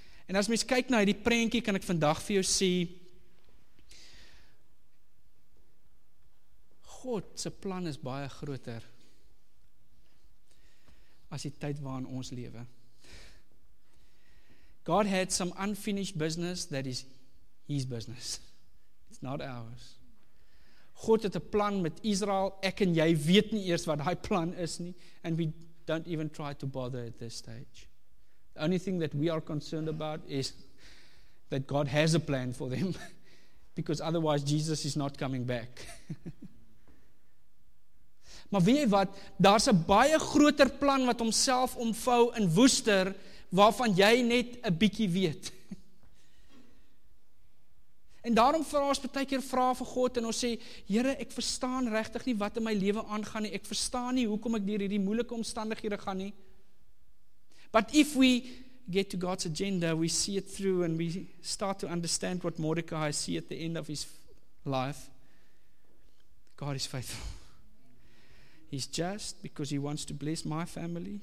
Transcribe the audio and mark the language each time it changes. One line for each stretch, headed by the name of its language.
Afrikaans: En as mens kyk na hierdie prentjie, kan ek vandag vir jou sê, God se plan is baie groter as die tyd waarin ons lewe.
English: God had some unfinished business that is his business. It's not ours.
Afrikaans: God het 'n plan met Israel. Ek en jy weet nie eers wat daai plan is nie.
English: And we don't even try to bother at this stage. The only thing that we are concerned about is that God has a plan for them. Because otherwise Jesus is not coming back.
Afrikaans: Maar weet jy wat? Daar's 'n baie groter plan wat homself omvou in woester waarvan jy net 'n bietjie weet. En daarom vra ons baie keer vra vir God en ons sê, Here, ek verstaan regtig nie wat in my lewe aangaan nie. Ek verstaan nie hoekom ek deur hierdie moeilike omstandighede gaan nie.
English: But if we get to God's agenda, we see it through and we start to understand what Mordecai see at the end of his life. God is faithful. He's just because he wants to bless my family.